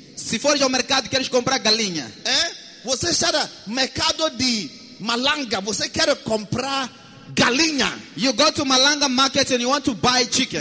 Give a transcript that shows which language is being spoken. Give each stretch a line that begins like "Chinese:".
Portuguese: se for ao mercado queres comprar galinha, Você chama mercado de malanga, você quer comprar galinha.
English: You go to Malanga market and you want to buy chicken.